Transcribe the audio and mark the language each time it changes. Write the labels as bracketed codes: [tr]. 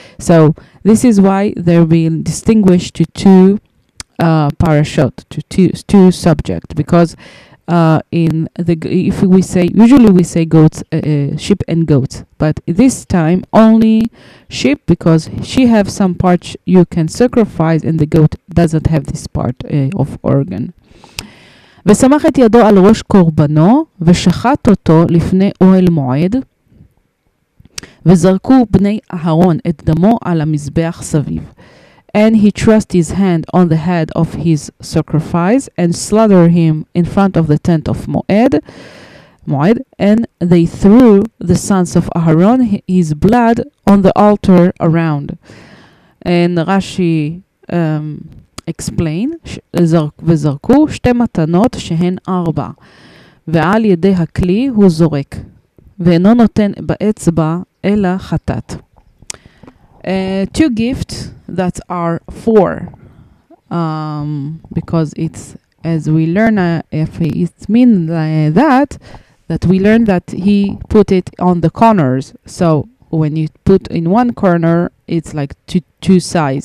[en] So this is why they're being distinguished to two parashot, to two subject, because in the if we say, usually we say goats, sheep and goats, but this time only sheep, because she have some parts you can sacrifice and the goat doesn't have this part of organ. [he] ושמח את ידו על ראש קורבנו ושחט אותו לפני אוהל מועד וזרקו בני אהרון את דמו על המזבח סביב. [en] And he thrust his hand on the head of his sacrifice and slaughtered him in front of the tent of Moed, and they threw the sons of Aharon, his blood, on the altar around. And Rashi explained, [he] וזרקו שתי מתנות שהן ארבע, ועל ידי הכלי הוא זורק, ואינו נותן באצבע אלא חטאת. [en] Two gifts that are four, because it's, as we learn, if it means that we learn that he put it on the corners. So when you put in one corner, it's like two sides.